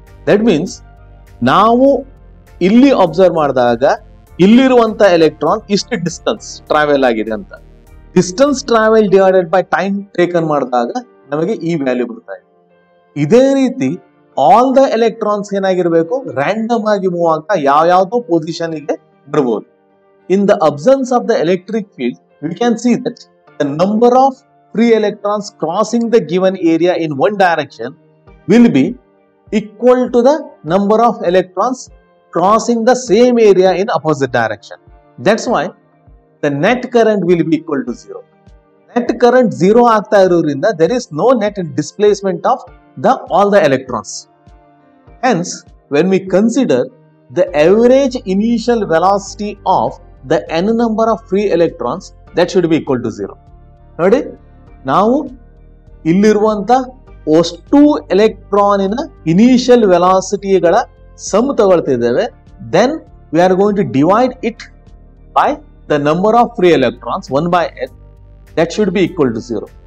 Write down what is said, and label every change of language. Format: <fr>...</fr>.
<kn>That means ನಾವು ಇಲ್ಲಿ observe ಮಾಡಿದಾಗ ಇಲ್ಲಿರುವಂತ ಎಲೆಕ್ಟ್ರಾನ್ ಇಷ್ಟು ಡಿಸ್ಟೆನ್ಸ್ ಟ್ರಾವೆಲ್ ಆಗಿದೆ ಅಂತ. Distance travel divided by time taken ಮಾಡಿದಾಗ ನಮಗೆ ಈ ವ್ಯಾಲ್ಯೂ ಬರ್ತಾ ಇದೆ. ಇದೇ ರೀತಿ ಆಲ್ ದ ಎಲೆಕ್ಟ್ರಾನ್ಸ್ ಏನಾಗಿರ್ಬೇಕು, ರ್ಯಾಂಡಮ್ ಆಗಿ ಮೂವ್ ಆಗ ಯಾವ್ಯಾವುದೋ ಪೊಸಿಷನ್ಗೆ ಬರ್ಬೋದು.</kn> <en>In the absence of the electric field, we can see that the number of free electrons crossing the given area in one direction will be equal to the number of electrons crossing the same area in opposite direction. That's why the net current will be equal to zero.</en> <kn>Net current zero aagta irurinda,</kn> <en>there is no net displacement of all the electrons. Hence, when we consider the average initial velocity of the n number of free electrons, that should be equal to zero.</en> <kn>ನೋಡಿ, ನಾವು ಇಲ್ಲಿರುವಂತ ಒಷ್ಟು electron ಇನ initial ವೆಲಾಸಿಟಿಗಳ some ತಗೊಳ್ತಿದ್ದೇವೆ.</kn> <en>Then we are going to divide it by the number of free electrons 1/n, that should be equal to zero.</en>